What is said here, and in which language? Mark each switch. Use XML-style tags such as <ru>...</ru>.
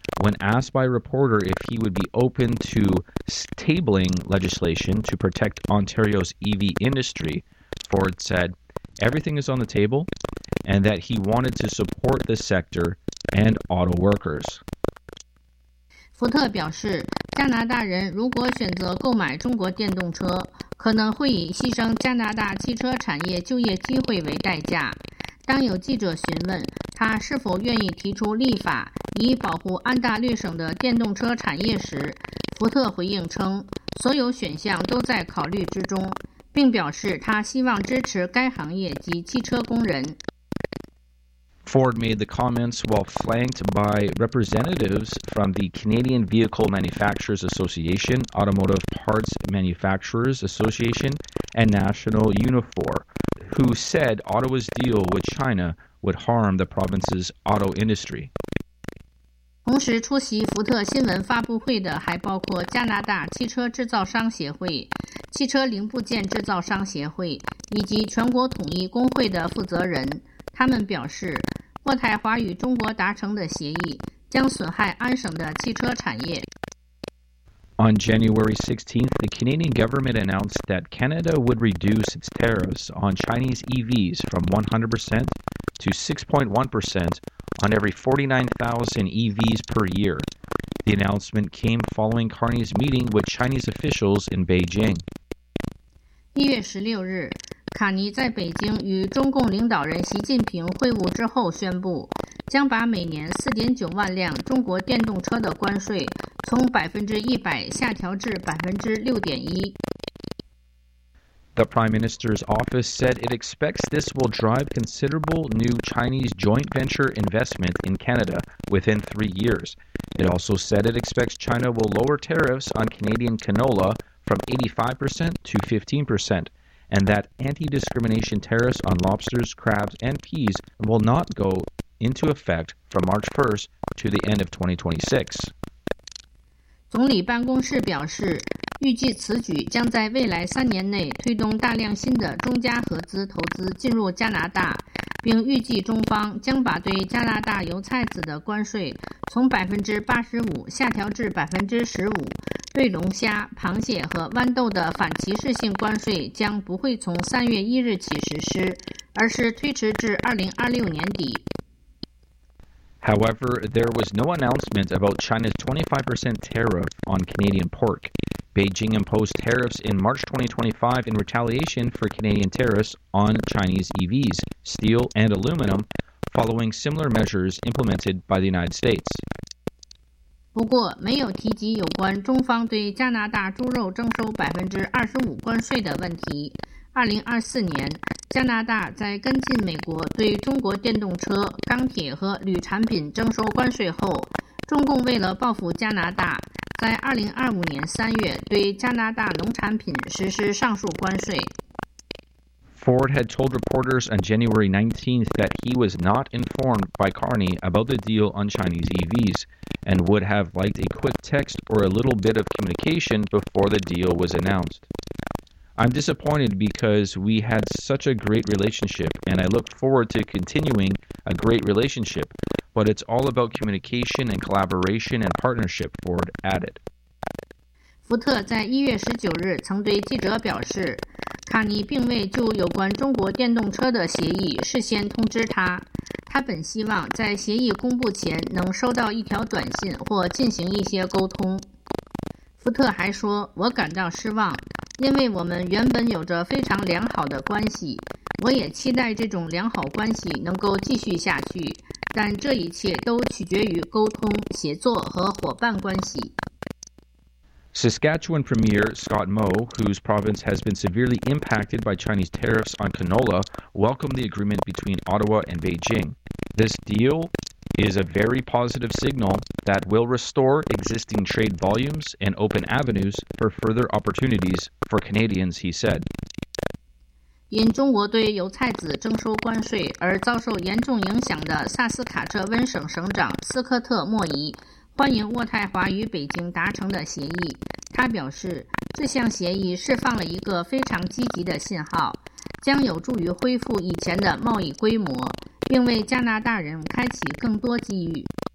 <en>When asked by a reporter if he would be open to tabling legislation to protect Ontario's EV industry, Ford said everything is on the table and that he wanted to support the sector and auto workers.</en> <zh>福特表示，加拿大人如果选择购买中国电动车，可能会以牺牲加拿大汽车产业就业机会为代价。当有记者询问他是否愿意提出立法以保护安大略省的电动车产业时，福特回应称，所有选项都在考虑之中，并表示他希望支持该行业及汽车工人。</zh> <en>Ford made the comments while flanked by representatives from the Canadian Vehicle Manufacturers Association, Automotive Parts Manufacturers Association, and National Unifor, who said Ottawa's deal with China would harm the province's auto industry.</en> <zh>同时出席福特新闻发布会的还包括加拿大汽车制造商协会、汽车零部件制造商协会以及全国统一工会的负责人。他们表示，渥太华与中国达成的协议将损害安省的汽车产业。</zh> <en>On January 16th, the Canadian government announced that Canada would reduce its tariffs on Chinese EVs from 100% to 6.1% on every 49,000 EVs per year. The announcement came following Carney's meeting with Chinese officials in Beijing.</en> <zh>1月16日，卡尼在北京与中共领导人习近平会晤之后宣布，将把每年 4.9 万辆中国电动车的关税从 100% 下调至 6.1%。</zh> <en>The Prime Minister's office said it expects this will drive considerable new Chinese joint venture investment in Canada within 3 years. It also said it expects China will lower tariffs on Canadian canola from 85% to 15%. And that anti-discrimination tariffs on lobsters, crabs, and peas will not go into effect from March 1st to the end of 2026.</en> <zh>总理办公室表示，预计此举将在未来三年内推动大量新的中加合资投资进入加拿大，并预计中方将把对加拿大油菜籽的关税从 85% 下调至 15%。对龙虾、螃蟹和豌豆的反歧视性关税将不会从3月1日起实施，而是推迟至2026年底。</zh> <en>However, there was no announcement about China's 25% tariff on Canadian pork. Beijing imposed tariffs in March 2025 in retaliation for Canadian tariffs on Chinese EVs, steel and aluminum, following similar measures implemented by the United States.</en> <zh>不过没有提及有关中方对加拿大猪肉征收 25% 关税的问题。 2024年，加拿大在跟进美国对中国电动车、钢铁和铝产品征收关税后，中共为了报复加拿大，在2025年3月对加拿大农产品实施上述关税。</zh> <en>Ford had told reporters on January 19th that he was not informed by Carney about the deal on Chinese EVs and would have liked a quick text or a little bit of communication before the deal was announced. I'm disappointed because we had such a great relationship and I look forward to continuing a great relationship, but it's all about communication and collaboration and partnership, Ford added.</en> <zh>福特在1月19日曾对记者表示，卡尼并未就有关中国电动车的协议事先通知他，他本希望在协议公布前能收到一条短信或进行一些沟通。福特还说，我感到失望，因为我们原本有着非常良好的关系，我也期待这种良好关系能够继续下去，但这一切都取决于沟通、协作和伙伴关系。</zh> <en>Saskatchewan Premier Scott Moe, whose province has been severely impacted by Chinese tariffs on canola, welcomed the agreement between Ottawa and Beijing. This deal is a very positive signal that will restore existing trade volumes and open avenues for further opportunities for Canadians, he said.</en> <zh>因中国对油菜籽征收关税而遭受严重影响的萨斯卡彻温省省长斯科特·莫仪欢迎渥太华与北京达成的协议。他表示，这项协议释放了一个非常积极的信号，将有助于恢复以前的贸易规模，并为加拿大人开启更多机遇。</zh>